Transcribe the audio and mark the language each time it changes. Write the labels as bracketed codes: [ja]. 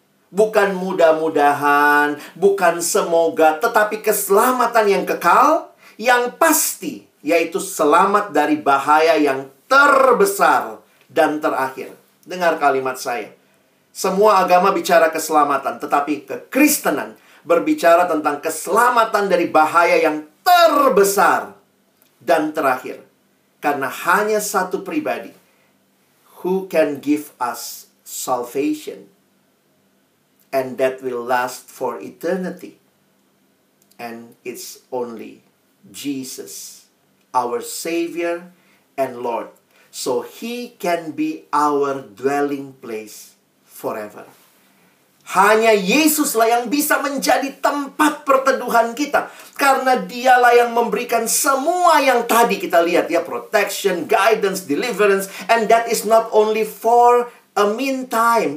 [id] Bukan mudah-mudahan, bukan semoga, tetapi keselamatan yang kekal, yang pasti, yaitu selamat dari bahaya yang terbesar dan terakhir. Dengar kalimat saya. Semua agama bicara keselamatan, tetapi kekristenan berbicara tentang keselamatan dari bahaya yang terbesar dan terakhir. Karena hanya satu pribadi, [en] who can give us salvation, and that will last for eternity, and it's only Jesus, our Savior and Lord. So He can be our dwelling place forever. [id] Hanya Yesuslah yang bisa menjadi tempat perteduhan kita. Karena dialah yang memberikan semua yang tadi kita lihat ya. [en] Protection, guidance, deliverance. And that is not only for a meantime.